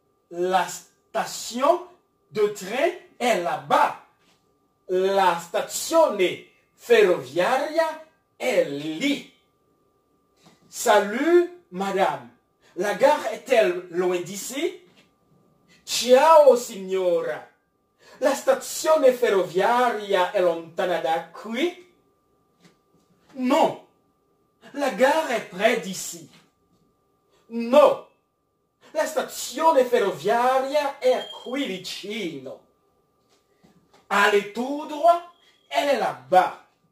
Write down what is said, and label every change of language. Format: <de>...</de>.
<fr>La station de train est là-bas.</fr> <it>La stazione ferroviaria è lì.</it> <fr>Salut, madame. La gare est-elle loin d'ici?</fr> <it>Ciao, signora. La stazione ferroviaria è lontana da qui? Non.</it> <fr>La gare est près d'ici. Non.</fr> <it>La stazione ferroviaria è qui vicino.</it> <fr>Allez tout droit, elle est là-bas.</fr>